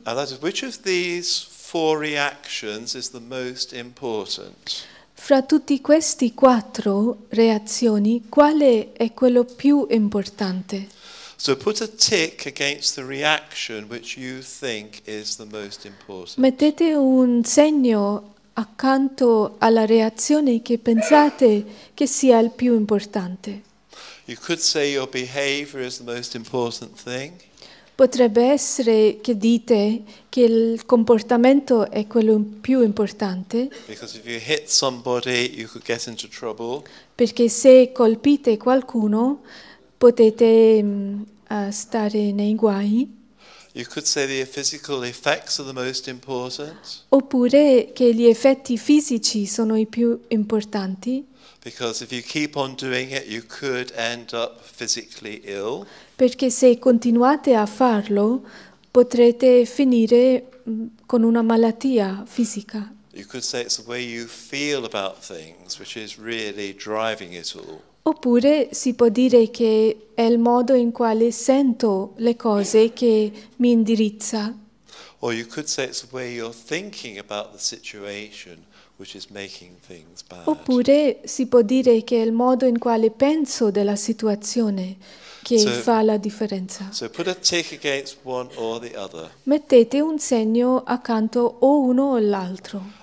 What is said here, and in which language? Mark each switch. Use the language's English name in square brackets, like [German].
[English] And that is, which of these four reactions is the most important? [Italian] Fra tutti questi quattro reazioni, quale è quello più importante? [English] So put a tick against the reaction which you think is the most important. [Italian] Mettete un segno accanto alla reazione che pensate che sia il più importante. [English] You could say your behavior is the most important thing. [Italian] Potrebbe essere che dite che il comportamento è quello più importante. [English] Because if you hit somebody, you could get into trouble. [Italian] Perché se colpite qualcuno potete stare nei guai. [English] You could say the physical effects are the most important. [Italian] Oppure che gli effetti fisici sono i più importanti. [English] Because if you keep on doing it, you could end up physically ill. [Italian] Perché se continuate a farlo, potrete finire con una malattia fisica. [English] You could say it's the way you feel about things, which is really driving it all. [Italian] Oppure si può dire che è il modo in quale sento le cose che mi indirizza. [English] Or you could say it's the way you're thinking about the situation which is making things bad. [Italian] Oppure si può dire che è il modo in quale penso della situazione che fa la differenza. [English] So put a tick against one or the other. [Italian] Mettete un segno accanto o uno o l'altro.